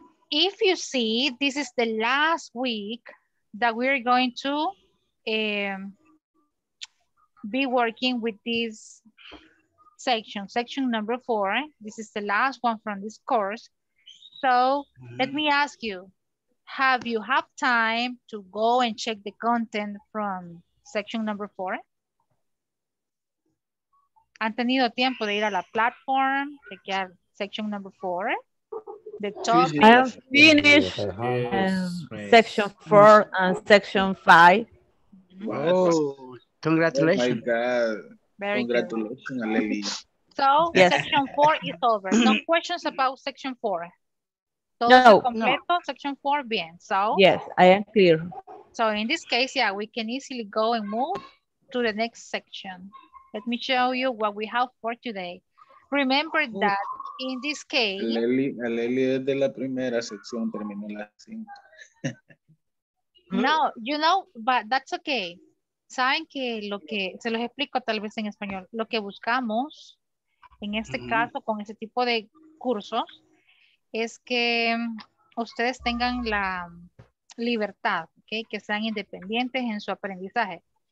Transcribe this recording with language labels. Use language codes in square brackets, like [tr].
[en] If you see, this is the last week that we're going to be working with this section, section number four. This is the last one from this course. So let me ask you, have you had time to go and check the content from section number four? [es] ¿Han tenido tiempo de ir a la platform, chequear [en] section number four? The topic. I have finished section four and section five. Oh, congratulations. Oh my God. Very congratulations, good. Lady. So, yes. Section four is over. No questions about section four. So, no, [es] completo, no. [en] Section four, bien. So, yes, I am clear. So, in this case, yeah, we can easily go and move to the next section. Let me show you what we have for today. Remember that in this case. [es] Leli es de la primera sección, terminó la cinco. [en] No, you know, but that's okay. [es] Saben que lo que, se los explico tal vez en español, lo que buscamos en este caso con este tipo de cursos es que ustedes tengan la libertad, okay, que sean independientes en su aprendizaje.